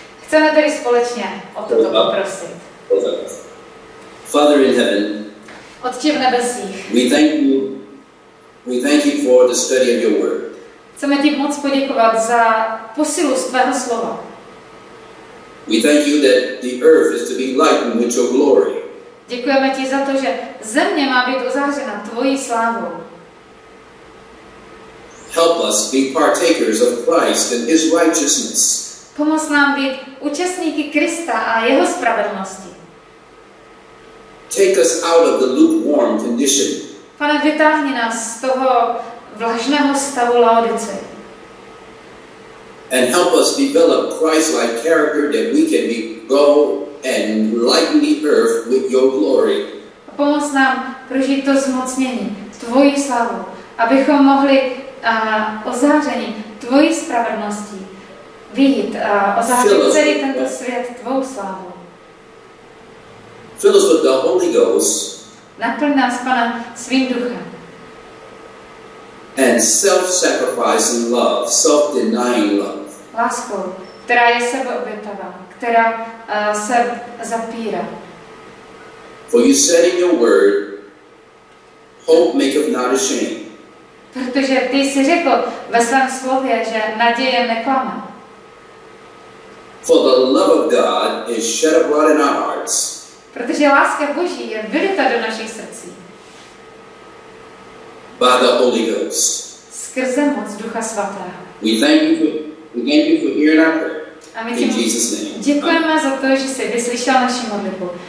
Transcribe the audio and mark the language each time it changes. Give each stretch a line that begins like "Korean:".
Czech: Chceme tedy společně o toto poprosit.
English: Father in heaven,
Czech: Otče v nebesích,
English: we thank you for the study of your word.
Czech: Chceme ti moc poděkovat za posilu z tvého slova.
English: We thank you that the earth is to be lightened with your glory.
Czech: Děkujeme ti za to, že Země má být ozářena tvojí slávou.
English: Help us be partakers of Christ and his righteousness.
Czech: Pomoz nám být účastníky Krista a jeho spravedlnosti.
English: Take us out of the lukewarm condition.
Czech: Pane, vytáhni nás z toho vlažného stavu Laodice.
English: And help us develop Christ-like character that we can be go and lighten the earth with your glory.
Czech: Pomoz nám prožít to zmocnění, tvoji slavu, abychom mohli ozářeni tvoji spravedlností vidět a ozářit celý tento svět tvou slavou.
English: Fill us with the Holy Ghost.
Czech: Naplň nás, Pane, svým duchem.
English: And self-sacrificing love, self-denying love.
Czech: Láskou, která je sebeobětavá, která se zapírá.
English: For you said in your word, hope maketh not ashamed.
Czech: Protože ty jsi řekl ve svém slově, že naděje neklame.
English: For the love of God is shed abroad in our hearts.
Czech: Protože láska Boží je vylita do našich srdcí.
English: By the Holy Ghost.
Czech: Skrze moc Ducha Svatého.
English: We thank you for hearing our prayer. In Jesus' name.
Czech: Děkujeme za to, že jsi vyslyšel naši modlitbu.